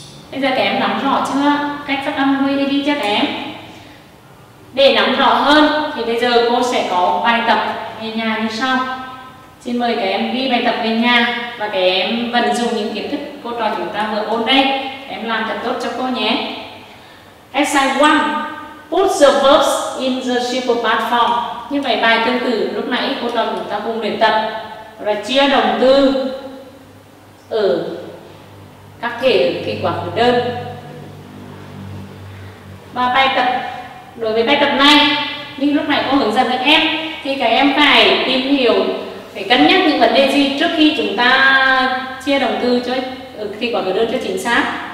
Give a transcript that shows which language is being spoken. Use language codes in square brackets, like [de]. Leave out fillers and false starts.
[vi] Bây giờ các em nắm rõ chưa cách phát âm với đi cho các em? Để nắm rõ hơn thì bây giờ cô sẽ có bài tập về nhà như sau. Xin mời các em ghi bài tập về nhà và các em vận dụng những kiến thức cô trò chúng ta vừa ôn đây. Em làm thật tốt cho cô nhé. [en] Exercise 1. Put the verbs in the simple past form. [vi] Như vậy bài tương tự lúc nãy cô trò chúng ta cùng luyện tập là chia động từ ở các thể khi quá khứ đơn. Và bài tập, đối với bài tập này như lúc này cô hướng dẫn các em thì các em phải tìm hiểu, phải cân nhắc những vấn đề gì trước khi chúng ta chia động từ cho khi quá khứ đơn cho chính xác.